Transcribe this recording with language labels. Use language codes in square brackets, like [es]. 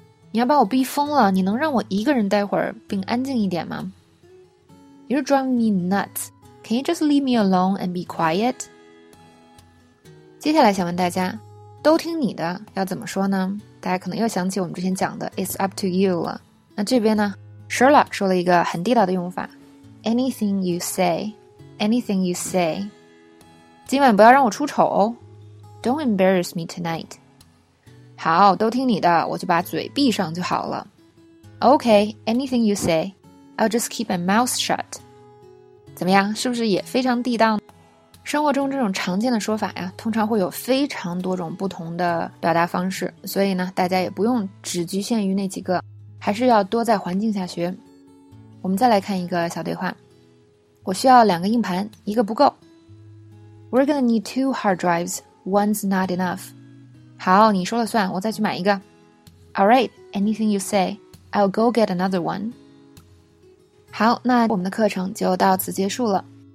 [zh] 你要把我逼疯了，你能让我一个人待会儿并安静一点吗？ [en] You're driving me nuts. Can you just leave me alone and be quiet? [zh] 接下来想问大家，都听你的要怎么说呢？大家可能又想起我们之前讲的 [en] It's up to you [zh] 了。那这边呢 Sherlock 说了一个很地道的用法 [en] Anything you say, anything you say. [zh] 今晚不要让我出丑哦。 [en] Don't embarrass me tonight. [zh] 好，都听你的，我就把嘴闭上就好了。 [en] OK, anything you say, I'll just keep my mouth shut. [zh] 怎么样，是不是也非常地道？生活中这种常见的说法呀，通常会有非常多种不同的表达方式，所以呢，大家也不用只局限于那几个，还是要多在环境下学。我们再来看一个小对话。我需要两个硬盘，一个不够。 [en] We're gonna need two hard drives, one's not enough. [zh] 好，你说了算，我再去买一个。 [en] Alright, anything you say, I'll go get another one. [zh] 好，那我们的课程就到此结束了。